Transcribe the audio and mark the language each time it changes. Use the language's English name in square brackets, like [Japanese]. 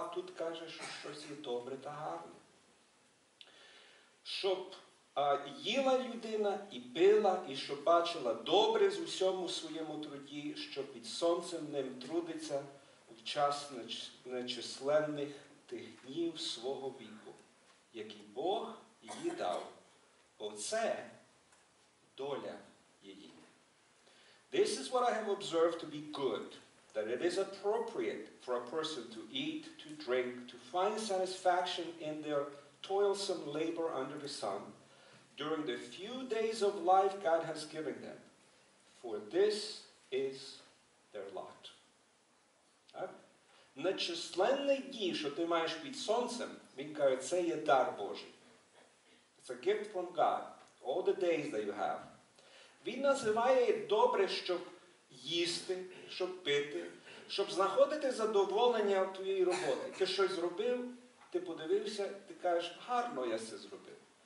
[Ukrainian] Тут каже, що щось є добре та гарне. Щоб їла людина і пила, і щоб бачила добре з усьому своєму труді, що під сонцем ним трудиться в час нечисленних тих днів свого віку, які Бог їй дав. Оце доля її. [English] This is what I have observed to be good, that it is appropriate for a person to eat, to drink, to find satisfaction in their toilsome labor under the sun, during the few days of life God has given them, for this is their lot. [Ukrainian] Нечисленні дні, що ти маєш під сонцем, він каже, це є дар Божий. [English] It's a gift from God, all the days that you have. [Ukrainian] Він називає добре, щоб їсти, щоб пити, щоб знаходити задоволення в твоїй роботі. Ти щось зробив, ти подивився, ти кажеш, гарно я це зробив.